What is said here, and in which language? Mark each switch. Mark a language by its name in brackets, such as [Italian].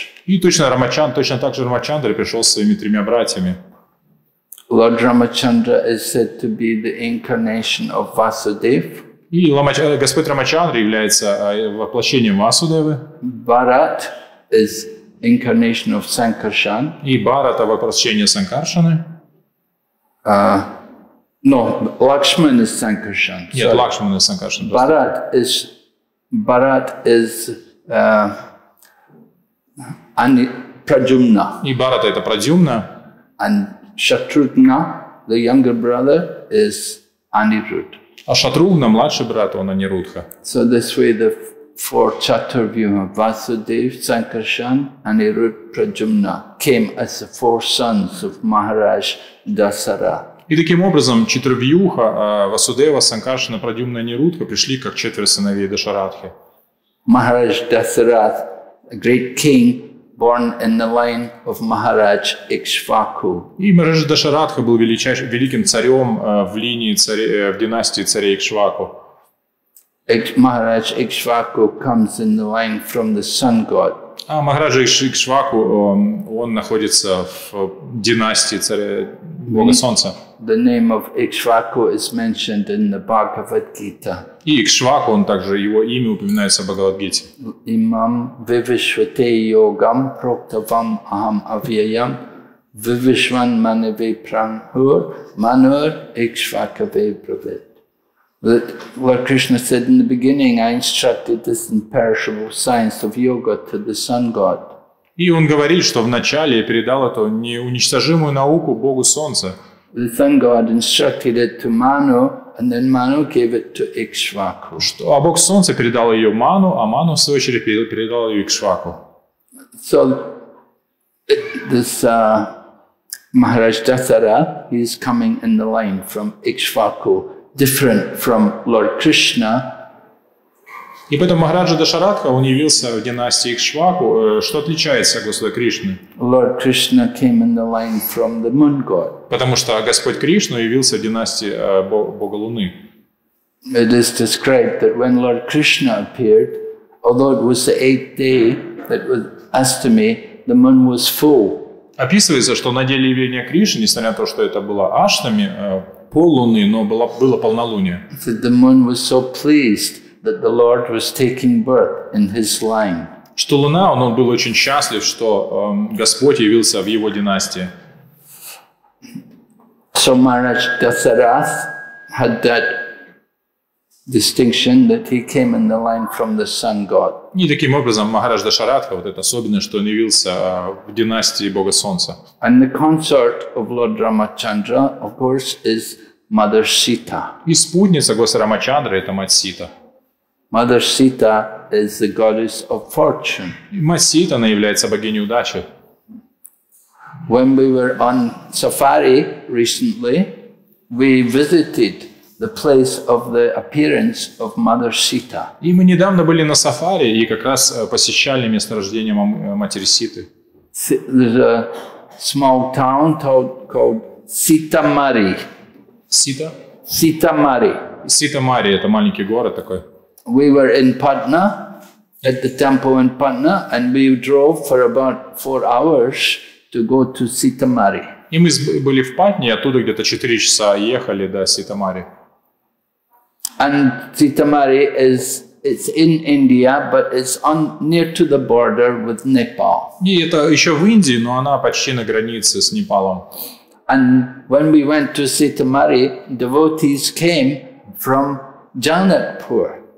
[Russian] И точно так же Рамачандра пришел со своими тремя братьями. [English] Lord Ramachandra is said to be the incarnation of Vasudev. [Russian] И Господь Рамачандра является воплощением Васудевы. [English] Bharat is incarnation of Sankarshan. [Russian] И Бхарата воплощение Санкаршаны. [English] Lakshman is Sankarshan. [Russian] Нет, Лакшман is Санкаршан. [English] Bharat is Pradyumna. [Russian] И Бхарата это Прадюмна. [English] And Shatrughna, the younger brother, is Anirudh. [Russian] А Шатругна, младший брат, он Анирудха. [English] So this way the four chaturvyuha, Vasudev, Sankarshan, Anirudh, Pradyumna, came as the four sons of Maharaj Dasara. [Russian] И таким образом четырвьюха, Васудева, Санкаршана, Прадюмна, Анирудха пришли как четверо сыновей Дашарадхи. [English] Maharaj Dasara, a great king, born in the line of Maharaj Ikshvaku. [Russian] И Махарадж Дашарадха был великим царем в династии царей Ikshvaku. [English] Maharaj Ikshvaku comes in the line from the sun god. [Russian] А Махарадж Ikshvaku он находится в династии царя Бога Солнца. [English] The name of Ikshvaku is mentioned in the Bhagavad Gita. [Russian] И Ikshvaku, он также его имя упоминается в Бхагавад Гите. [Sanskrit] Имам вивишвате йогам проктавам ахам авьяям вивишван маневе пранхур манур Ikshvakave бравит. [English] Lord Krishna said in the beginning, I instructed this imperishable science of yoga to the sun god. [Russian] И он говорит, что вначале я передал эту неуничтожимую науку Богу Солнца. [English] The sun god instructed it to Manu, and then Manu gave it to Ikshvaku. [Russian] Что, а Бог Солнца передал ее Ману, а Ману в свою очередь передал ее Ikshvaku. [English] So this Maharaj Dasara, he is coming in the line from Ikshvaku, different from Lord Krishna. [Russian] И поэтому Махараджа Дашарадха, он явился в династии Ikshvaku. Что отличается от Господа Кришны? [English] Lord Krishna came in the line from the moon god. [Russian] Потому что Господь Кришна явился в династии Бога Луны. [English] It is described that when Lord Krishna appeared, although it was the eighth day that was Ashtami, the moon was full. [Russian] Описывается, что на день явления Кришны, несмотря на то, что это было Аштами, полуны, но было полнолуние. [English] That the moon was so pleased that the Lord was taking birth in his line. [Russian] Что Луна, он был очень счастлив, что Господь явился в его династии. [English] So Maharaj Dasarath had that distinction that he came in the line from the sun god. [Russian] И таким образом Махарадж Дашарадха, вот это особенное, что он явился в династии Бога Солнца. [English] And the consort of Lord Ramachandra, of course, is Mother Sita. [Russian] И спутница Господа Рамачандры – это мать Сита. [English] Mother Sita is the goddess of fortune. [Russian] Мать Сита, она является богиней удачи. [English] When we were on safari recently, we visited the place of the appearance of Mother Sita. [Russian] И мы недавно были на сафари и как раз посещали место рождения матери Ситы. [English] There's a small town called Sitamari. [Russian] Сита? [English] Sitamari. [Russian] Sitamari – это маленький город такой. [English] We were in Patna, at the temple in Patna, and we drove for about 4 hours to go to Sitamari. [Russian] И мы были в Патне, оттуда где-то 4 часа ехали до Sitamari. [English] And Sitamari is in India, but it's on near to the border with Nepal. [Russian] И это еще в Индии, но она почти на границе с Непалом. [English] And when we went to Sitamari, devotees came from Janakpur.